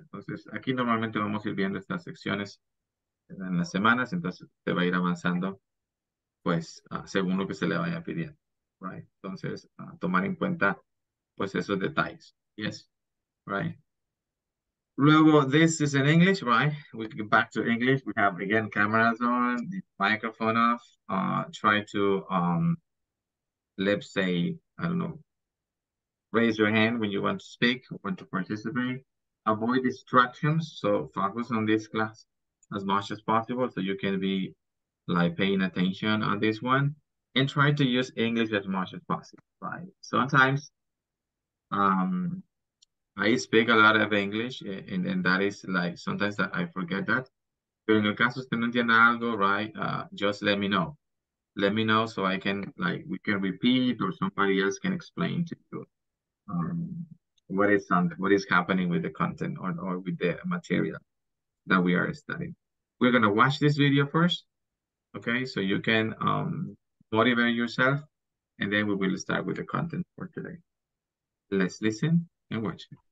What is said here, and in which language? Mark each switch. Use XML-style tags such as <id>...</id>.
<es>Entonces aquí normalmente vamos a ir viendo estas secciones en las semanas, entonces se va a ir avanzando. Pues, según lo que se le vaya pidiendo, right? Entonces, tomar en cuenta, pues, esos detalles, yes, right?</es> <en>Luego, this is in English, right? We can get back to English. We have, again, cameras on, the microphone off. Try to, let's say, I don't know, raise your hand when you want to speak, or want to participate. Avoid distractions, so focus on this class as much as possible so you can be, like paying attention on this one and try to use English as much as possible, right? Sometimes I speak a lot of English and that is like, sometimes I forget that.</en> <es>Pero en el caso usted no entienda algo, right?</es> <en>Just let me know. Let me know so I can, like, we can repeat or somebody else can explain to you what is happening with the content or with the material that we are studying. We're gonna watch this video first. Okay, so you can motivate yourself, and then we will start with the content for today. Let's listen and watch.</en>